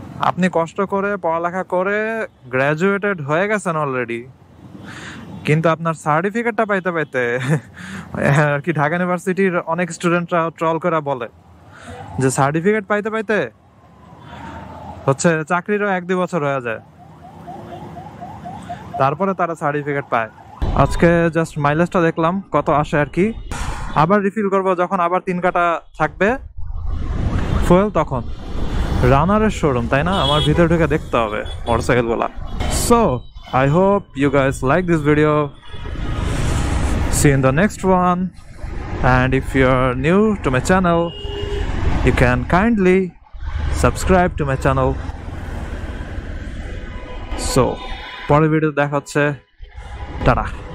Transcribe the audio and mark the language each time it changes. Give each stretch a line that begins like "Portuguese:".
Bangla: আপনি কষ্ট করে পড়ালেখা করে গ্র্যাজুয়েটেড হয়ে গেছেন অলরেডি, কিন্তু আপনার সার্টিফিকেটটা পাইতে পাইতে আর কি ঢাকা ইউনিভার্সিটির অনেক স্টুডেন্টরা ট্রল করা বলে যে সার্টিফিকেট পাইতে পাইতে হচ্ছে চাকরিরও 1-2 বছর হয়ে যায়, তারপরে তারা সার্টিফিকেট পায়। আজকে জাস্ট মাইলেজটা দেখলাম কত আসে আর কি, আবার রিফিল করবো যখন আবার 3 কাটা থাকবে ফুয়েল, তখন রানারের শোরুম, তাই না? আমার ভিতরে ঢুকে দেখতে হবে মোটরসাইকেলগুলা।
English: So I hope you guys like this video. See you in the next one. And if you are new to my channel, you can kindly subscribe to my channel.
Bangla: So, পরের video দেখা হচ্ছে, tata.